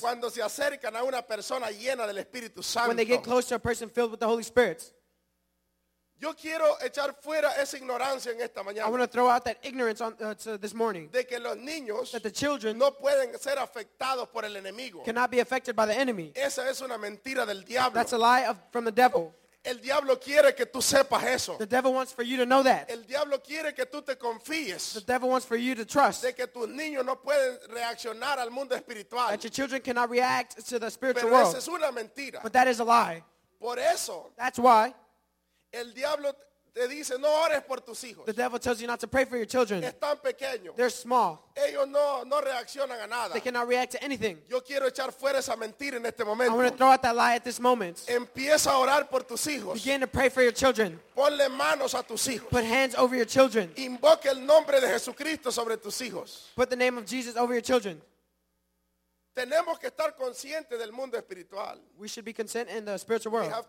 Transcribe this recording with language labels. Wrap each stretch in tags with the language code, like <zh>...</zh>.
<es>Cuando se acercan a una persona llena del Espíritu Santo.</es> <en>When they get close to a person filled with the Holy Spirit.</en> <es>Yo quiero echar fuera esa ignorancia en esta mañana.</es> <en>I want to throw out that ignorance to this morning.</en> <es>De que los niños,</es> <en>that the children,</en> <es>no pueden ser afectados por el enemigo.</es> <en>Cannot be affected by the enemy.</en> <es>Esa es una mentira del diablo.</es> <en>That's a lie from the devil.</en> <es>El diablo quiere que tú sepas eso.</es> <en>The devil wants for you to know that.</en> <es>El diablo quiere que tú te confíes.</es> <en>The devil wants for you to trust.</en> <es>De que tus niños no pueden reaccionar al mundo espiritual.</es> <en>That your children cannot react to the spiritual</en> <es>pero</es> <en>world.</en> <es>Pero esa es una mentira.</es> <en>But that is a lie.</en> <es>Por eso.</es> <en>That's why.</en> <es>El diablo te dice no ores por tus hijos.</es> <en>The devil tells you not to pray for your children.</en> <es>Están pequeños.</es> <en>They're small.</en> <es>Ellos no reaccionan a nada.</es> <en>They cannot react to anything.</en> <es>Yo quiero echar fuera esa mentira en este momento.</es> <en>I want to throw out that lie at this moment.</en> <es>Empieza a orar por tus hijos.</es> <en>Begin to pray for your children.</en> <es>Ponle manos a tus hijos.</es> <en>Put hands over your children.</en> <es>Invoque el nombre de Jesucristo sobre tus hijos.</es> <en>Put the name of Jesus over your children.</en> <es>Tenemos que estar conscientes del mundo espiritual.</es> <en>We should be conscient in the spiritual world.</en>